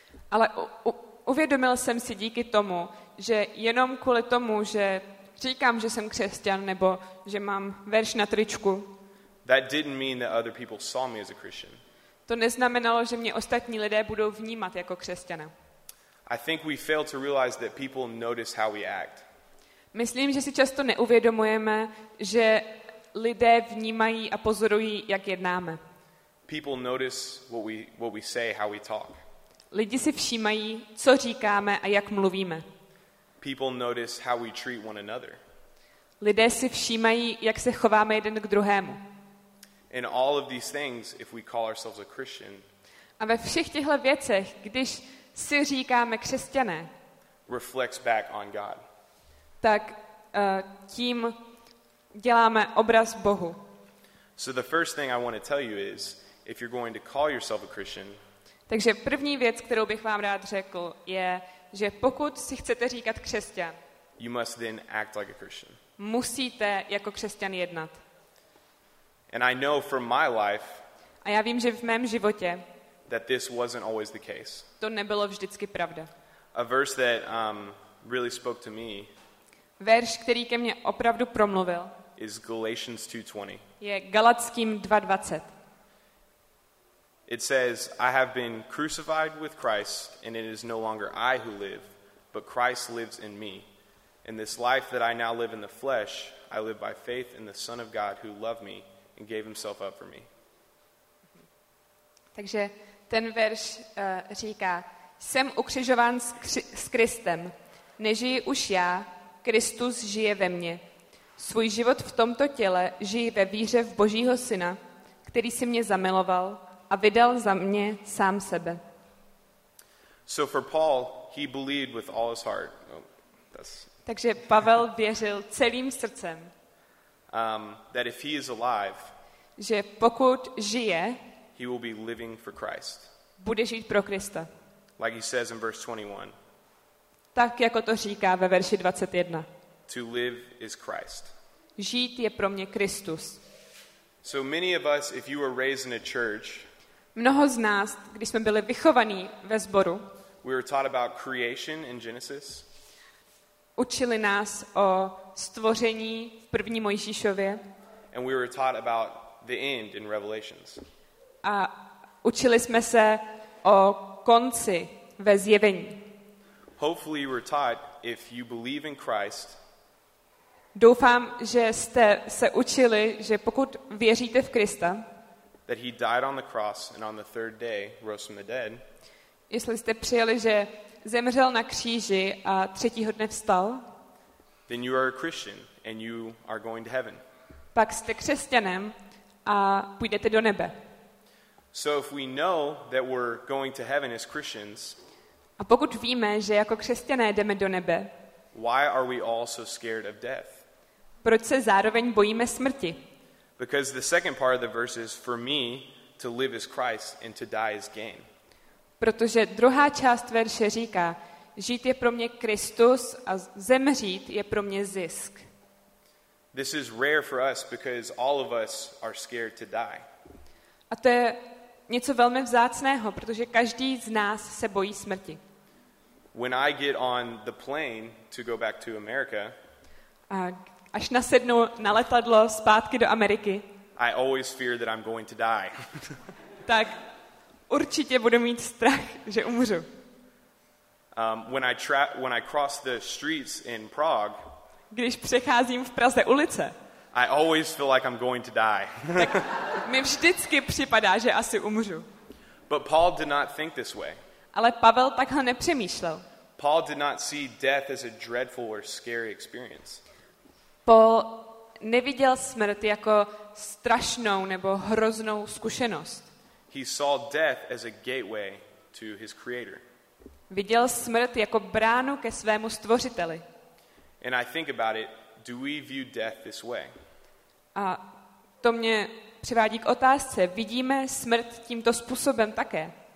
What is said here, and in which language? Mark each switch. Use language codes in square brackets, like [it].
[cs] Ale uvědomil jsem si díky tomu, že jenom kvůli tomu, že říkám, že jsem křesťan, nebo že mám verš na tričku. [en] That didn't mean that other people saw me as a Christian. [cs] To neznamenalo, že mě ostatní lidé budou vnímat jako křesťana. [en] I think we fail to realize that people notice how we act. [cs] Myslím, že si často neuvědomujeme, že lidé vnímají a pozorují, jak jednáme. [en] People notice what we say, how we talk. [cs] Lidi si všímají, co říkáme a jak mluvíme. [en] People notice how we treat one another. [cs] Lidé si všímají, jak se chováme jeden k druhému. [en] In all of these things, if we call ourselves a Christian. [cs] A ve všech těchto věcech, když si říkáme křesťané. [en] Reflects back on God. [cs] Tak tím děláme obraz Bohu. [en] So the first thing I want to tell you is, if you're going to call yourself a Christian. [cs] Takže první věc, kterou bych vám rád řekl, je, že pokud si chcete říkat křesťan, [en] you must then act like a Christian. [cs] Musíte jako křesťan jednat. [en] And I know from my life. [cs] A já vím, že v mém životě. [en] That this wasn't always the case. [cs] To nebylo vždycky pravda. [en] A verse that really spoke to me. [cs] Verš, který ke mně opravdu promluvil, [en] is Galatians 2:20. [cs] Je Galackým 2:20. [en] It says, "I have been crucified with Christ, and it is no longer I who live, but Christ lives in me. In this life that I now live in the flesh, I live by faith in the Son of God who loved me and gave himself up for me." [cs] Takže ten verš říká, jsem ukřižován s Kristem, nežiji už já, Kristus žije ve mně. Svůj život v tomto těle žijí ve víře v Božího Syna, který si mě zamiloval a vydal za mě sám sebe. [en] So for Paul, he believed with all his heart. [cs] Takže Pavel věřil celým srdcem, [en] that if he is alive, [cs] že pokud žije, [en] he will be living for Christ. [cs] Bude žít pro Krista. [en] Like he says in verse 21. [cs] Tak jako to říká ve verši 21. [en] To live is Christ. [cs] Žít je pro mě Kristus. [en] So many of us, if you were raised in a church, [cs] mnoho z nás, když jsme byli vychovaní ve sboru, [en] we were taught about creation in Genesis. [cs] Učili nás o stvoření v první Mojžíšově. [en] And we were taught about the end in Revelations. [cs] A učili jsme se o konci ve zjevení. [en] Hopefully you were taught if you believe in Christ. [cs] Doufám, že jste se učili, že pokud věříte v Krista, [en] that he died on the cross and on the third day rose from the dead. [cs] Jestli jste přijali, že zemřel na kříži a třetího dne vstal, [en] then you are a Christian and you are going to heaven. [cs] Pak jste křesťanem a půjdete do nebe. [en] So if we know that we're going to heaven as Christians, [cs] a pokud víme, že jako křesťané jdeme do nebe, [en] why are we all so scared of death? [cs] Proč se zároveň bojíme smrti? [en] Because the second part of the verse is for me to live as Christ and to die as gain. [cs] Protože druhá část verše říká, žít je pro mě Kristus a zemřít je pro mě zisk. [en] This is rare for us because all of us are scared to die. [cs] A to je něco velmi vzácného, protože každý z nás se bojí smrti. [en] When I get on the plane to go back to America, [cs] a až nasednu na letadlo zpátky do Ameriky, [en] I always fear that I'm going to die. [cs] Tak určitě budu mít strach, že umřu. [en] When I cross the streets in Prague, [cs] když přecházím v Praze ulice, [en] I always feel like I'm going to die. [cs] Tak mi vždycky připadá, že asi umřu. [en] But Paul did not think this way. [cs] Ale Pavel takhle nepřemýšlel. [en] Paul did not see death as a dreadful or scary experience. [cs] Paul neviděl smrt jako strašnou nebo hroznou zkušenost. [en] He saw death as a gateway to his creator. [cs] Viděl smrt jako bránu ke svému stvořiteli. [en] And I think about it, do we view death this way? [cs] A to mě přivádí k otázce, vidíme smrt tímto způsobem také?